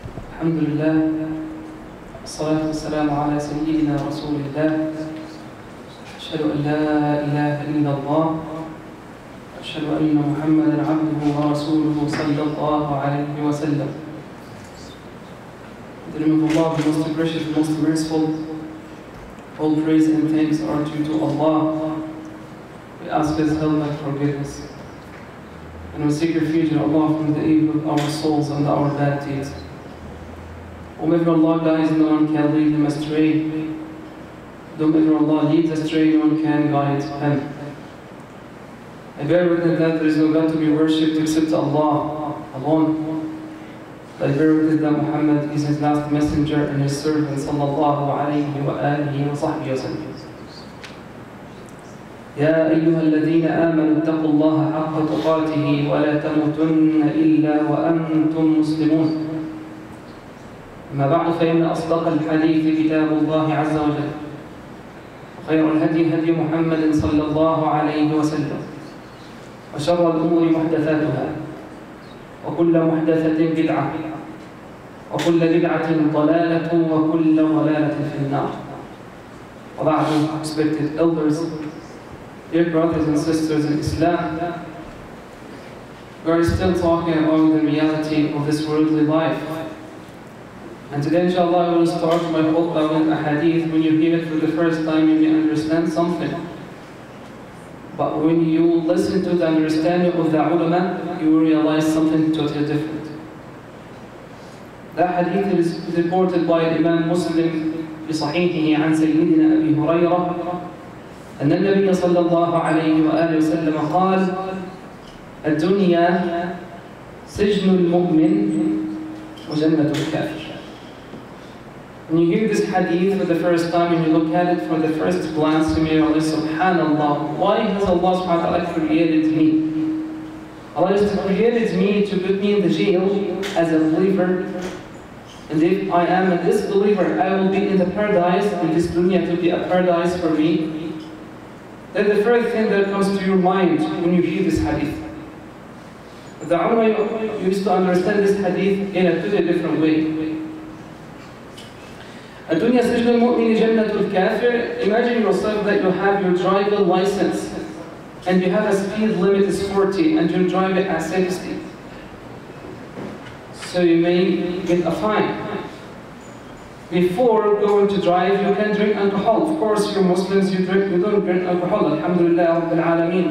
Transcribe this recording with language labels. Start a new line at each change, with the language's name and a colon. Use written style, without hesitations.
Arabic: الحمد لله، الصلاة والسلام على سيدنا رسول الله. أشهد أن لا إله إلا الله، أشهد أن محمدًا عبده ورسوله صلى الله عليه وسلم.
English: In the name of Allah, the most gracious, the most merciful. All praise and thanks are due to Allah. We ask His help and forgiveness. And we seek refuge in Allah from the evil of our souls and our bad deeds. Whomever Allah guides, no one can lead them astray. Whomever Allah leads astray, no one can guide him. I bear witness that there is no God to be worshipped except Allah alone. I bear witness that Muhammad is his last messenger and his servant, sallallahu alayhi wa alihi wa sahbihi wa sallam.
Arabic: يا أيها الذين آمنوا اتقوا الله حق تقاته ولا تموتن إلا وأنتم مسلمون. أما بعد، فإن أصدق الحديث كتاب الله عز وجل، وخير الهدي هدي محمد صلى الله عليه وسلم، وشر الأمور محدثاتها، وكل محدثة بدعة، وكل بدعة ضلالة، وكل ضلالة في النار. وبعد،
English: respected elders, dear brothers and sisters in Islam, we are still talking about the reality of this worldly life. And today, inshallah, I will start my khutbah with a hadith. When you hear it for the first time, you may understand something. But when you listen to the understanding of the ulama, you will realize something totally different. That hadith is reported by Imam Muslim in Sahihihi an Sayyidina Abi Huraira.
Arabic: أن النبي صلى الله عليه وآله وسلم قال: الدنيا سجن المؤمن وجنة الكافر.
English: When you hear this hadith for the first time and you look at it for the first glance, you may realize, Subhanallah, why has Allah subhanahu wa ta'ala created me? Allah has created me to put me in the jail as a believer. And if I am a disbeliever, I will be in the paradise, and this dunya to be a paradise for me. Then the first thing that comes to your mind when you hear this hadith. The ulama used to understand this hadith in a totally different way.
Arabic: الدنيا سجن المؤمن جنة الكافر.
English: Imagine yourself that you have your driver license and you have a speed limit is 40 and you drive it at 60. So you may get a fine. Before going to drive, you can drink alcohol. Of course, you're Muslims, you drink, you don't drink alcohol. Alhamdulillah, Rabbil Alameen.